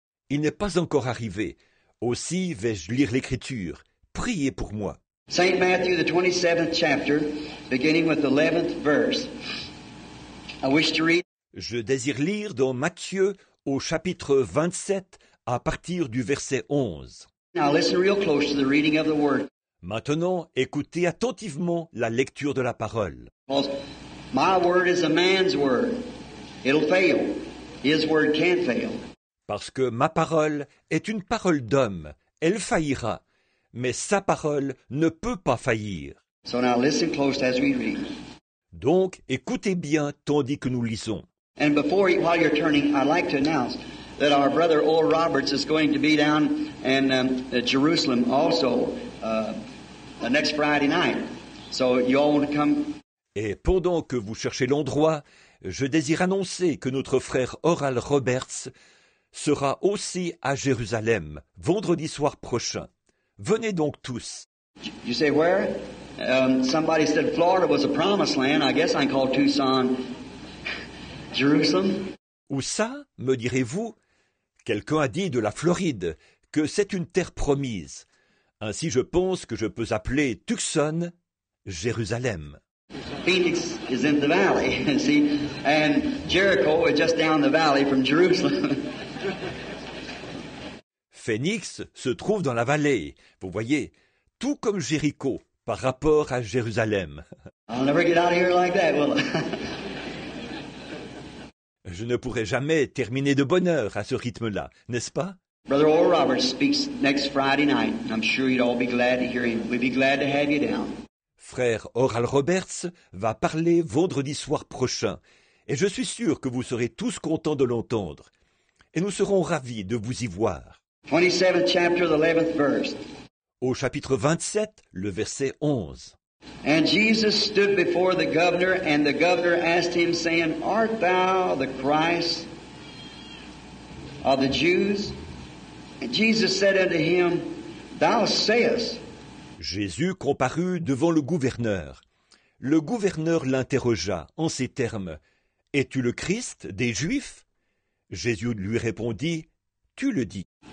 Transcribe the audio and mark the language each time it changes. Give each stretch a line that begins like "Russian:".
French: Il n'est pas encore arrivé. Aussi vais-je lire l'Écriture. Priez pour moi.
English: Saint Matthew, the 27th chapter, beginning with the 11th verse. I wish to read.
French: Je désire lire dans Matthieu au chapitre 27 à partir du verset 11.
English: Now listen real close to the reading of the word.
French: Maintenant, écoutez attentivement la lecture de la parole.
English: Because my word is a man's word. It'll fail. His word can't fail.
French: Parce que ma parole est une parole d'homme. Elle faillira. Mais sa parole ne peut pas faillir.
English: So now listen close as we read.
French: Donc, écoutez bien tandis que nous lisons.
English: And before, while you're turning, I'd like to announce that our brother Oral Roberts is going to be down in Jerusalem also next Friday night. So you all want to come.
French: Et pendant que vous cherchez l'endroit, je désire annoncer que notre frère Oral Roberts sera aussi à Jérusalem vendredi soir prochain. Venez donc tous.
English: You say where? Somebody said Florida was a promised land. I guess I can call Tucson Jerusalem.
French: Où ça, me direz-vous? Quelqu'un a dit de la Floride que c'est une terre promise. Ainsi, je pense que je peux appeler Tucson Jérusalem.
English: Phoenix is in the valley, see? And Jericho is just down the valley from Jerusalem.
French: Phoenix se trouve dans la vallée, vous voyez, tout comme Jéricho par rapport à Jérusalem.
English: I'll never get out of here like that, will I?
French: Je ne pourrai jamais terminer de bonne heure à ce rythme-là, n'est-ce pas?
English: Brother Oral Roberts speaks next Friday night. I'm sure you'd all be glad to hear him. We'd be glad to have you down.
French: Frère Oral Roberts va parler vendredi soir prochain, et je suis sûr que vous serez tous contents de l'entendre, et nous serons ravis de vous y voir.
English: 27th chapter, the 11th verse.
French: Au chapitre 27, le verset 11.
English: And Jesus stood before the governor, and the governor asked him, saying, Art thou the Christ of the Jews? And Jesus said unto him, Thou sayest.
French: Jésus comparut devant le gouverneur. Le gouverneur l'interrogea en ces termes, Es-tu le Christ des Juifs? Jésus lui répondit, Tu le dis.